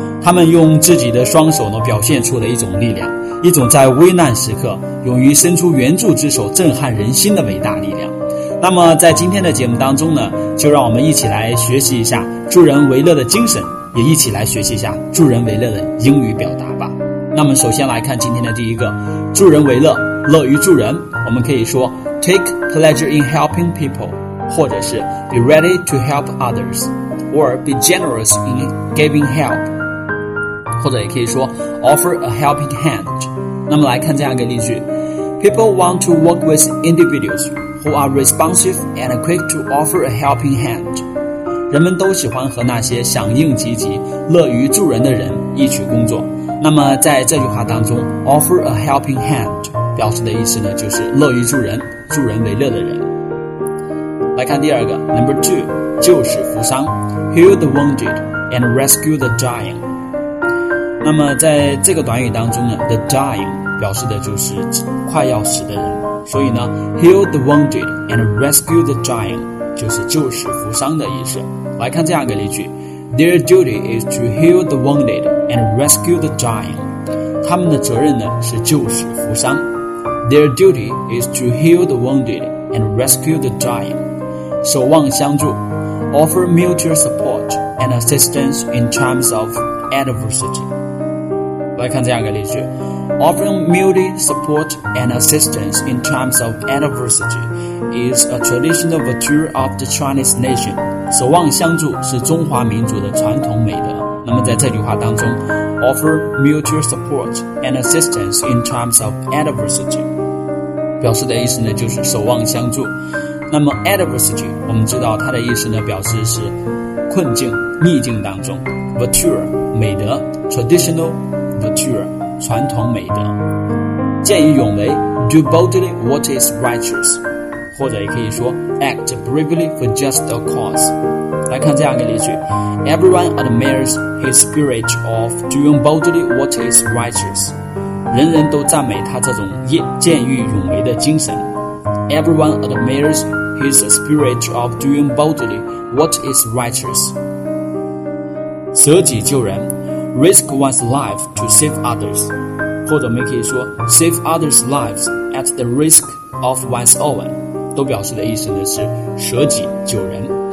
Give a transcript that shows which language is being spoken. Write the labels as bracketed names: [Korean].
[Chinese] 他们用自己的双手呢，表现出了一种力量，一种在危难时刻勇于伸出援助之手震撼人心的伟大力量。那么在今天的节目当中呢，就让我们一起来学习一下助人为乐的精神，也一起来学习一下助人为乐的英语表达吧。那么首先来看今天的第一个，助人为乐，乐于助人，我们可以说 [English] take pleasure in helping people， [Chinese] 或者是 [English] be ready to help others， or be generous in giving help， [Chinese] 或者也可以说 [English] offer a helping hand。 [Chinese] 那么来看这样一个例句， [English] people want to work with individuals who are responsive and quick to offer a helping hand， [Chinese] 人们都喜欢和那些响应积极乐于助人的人一起工作。那么在这句话当中， [English] offer a helping hand [Chinese] 表示的意思呢，就是乐于助人，助人为乐的人。来看第二个 [English] Number two， [Chinese] 救死扶伤， [English] heal the wounded and rescue the dying。 [Chinese] 那么在这个短语当中呢， [English] the dying [Chinese] 表示的就是快要死的人，所以呢 [English] heal the wounded and rescue the dying [Chinese] 就是救死扶伤的意思。来看这样一个例句， [English] their duty is to heal the woundedand rescue the dying， [Chinese] 他们的责任呢是救死扶伤。 [English] Their duty is to heal the wounded and rescue the dying， [Chinese] 守望相助， [English] offer mutual support and assistance in times of adversity。 [Chinese] 来看这样一个例句， [English] offering mutual support and assistance in times of adversity is a traditional virtue of the Chinese nation， [Chinese] 守望相助是中华民族的传统美德。那么在这句话当中， [English] offer mutual support and assistance in times of adversity [Chinese] 表示的意思呢，就是守望相助。那么 adversity 我们知道它的意思呢，表示是困境逆境当中， virtue 美德， [English] traditional virtue [Chinese] 传统美德，见义勇为， [English] do boldly what is righteous， [Chinese] 或者也可以说 [English] act bravely for just a cause。 [Chinese] 来看这样一个例句， [English] Everyone admires his spirit of doing boldly what is righteous， [Chinese] 人人都赞美他这种见义勇为的精神。 [English] Everyone admires his spirit of doing boldly what is righteous， [Chinese] 舍己救人， [English] risk one's life to save others， [Chinese] 或者我们可以说 [English] save others' lives at the risk of one's own， [Chinese] 都表示的意思呢是舍己救人。